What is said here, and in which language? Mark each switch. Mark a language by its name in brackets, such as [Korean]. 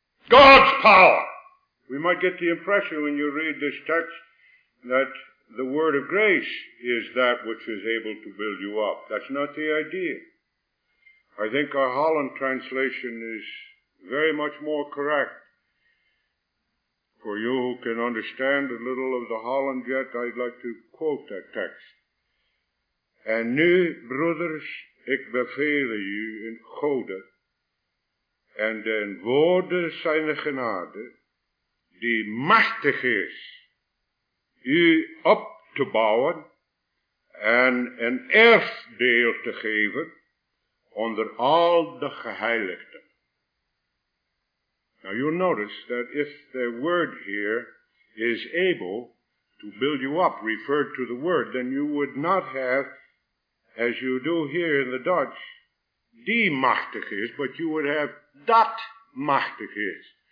[English] God's power. We might get the impression when you read this text that the word of grace is that which is able to build you up. That's not the idea. I think our Holland translation is very much more correct. For you who can understand a little of the Holland yet, I'd like to quote that text. [Dutch] En nu, broeders, ik beveel u in Gode en den woorden zijn genade, die machtig is, u op te bouwen en een erfdeel te geven onder al de geheiligden. [English] Now you'll notice that if the word here is able to build you up, referred to the word, then you would not have, as you do here in the Dutch, [Dutch] die machtig is, [English] but you would have [Dutch] dat machtig is.